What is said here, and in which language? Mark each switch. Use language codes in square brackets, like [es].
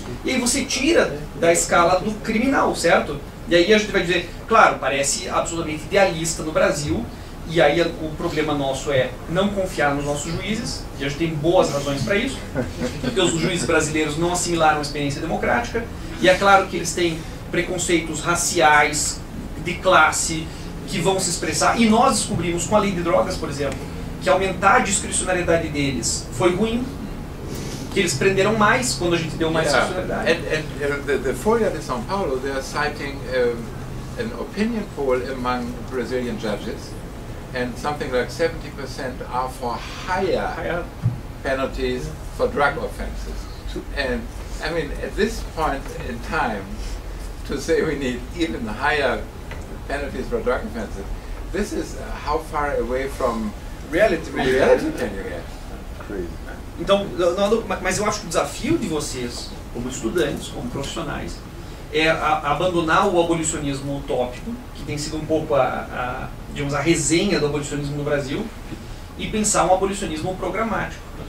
[pt] E aí você tira da escala do criminal, certo? E aí a gente vai dizer, claro, parece absolutamente idealista no Brasil, e aí o problema nosso é não confiar nos nossos juízes, e a gente tem boas razões para isso, porque os juízes brasileiros não assimilaram a experiência democrática, e é claro que eles têm preconceitos raciais, de classe, que vão se expressar. E nós descobrimos, com a lei de drogas, por exemplo, que aumentar a discricionariedade deles foi ruim, que eles prenderam mais quando a gente deu mais discricionariedade. [en] The Folha de São Paulo, they are citing an opinion poll among Brazilian judges, and something like 70% are for higher penalties for drug offenses. And, I mean, at this point in time, to say we need even higher penalties for drug offenses, this is how far away from reality can you get? [pt] Então, mas eu acho que o desafio de vocês, como estudantes, como profissionais, é abandonar o abolicionismo utópico, que tem sido um pouco a resenha do abolicionismo no Brasil, e pensar um abolicionismo programático.